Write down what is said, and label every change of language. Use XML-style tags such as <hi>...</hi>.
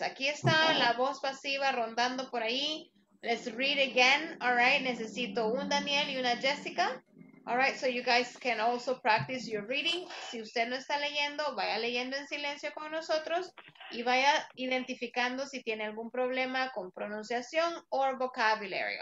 <es>Aquí está la voz pasiva rondando por ahí.</es> <en>Let's read again. All right?</en> <es>Necesito un Daniel y una Jessica.</es> <en>All right? So you guys can also practice your reading.</en> <es>Si usted no está leyendo, vaya leyendo en silencio con nosotros y vaya identificando si tiene algún problema con pronunciación o vocabulary.</es>